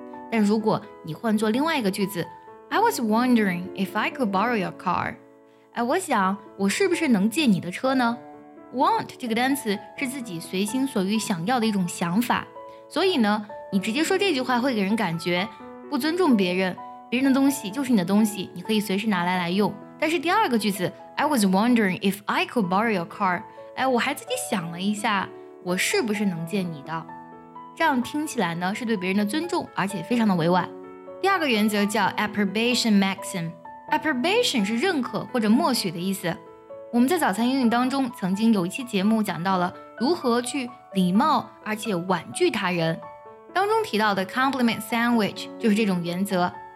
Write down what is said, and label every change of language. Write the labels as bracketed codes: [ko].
[zh] 但如果你换做另外一个句子， [en] I was wondering if I could borrow your car. [zh] 哎，我想我是不是能借你的车呢？Want 这个单词是自己随心所欲想要的一种想法，所以呢，你直接说这句话会给人感觉不尊重别人，别人的东西就是你的东西，你可以随时拿来来用。但是第二个句子 [en] I was wondering if I could borrow your car. [zh] 哎，我还自己想了一下，我是不是能借你的？这样听起来呢，是对别人的尊重，而且非常的委婉。第二个原则叫 Approbation Maxim， Approbation 是认可或者默许的意思。我们在早餐英语当中曾经有一期节目讲到了如何去礼貌而且婉拒他人，当中提到的 Compliment Sandwich 就是这种原则。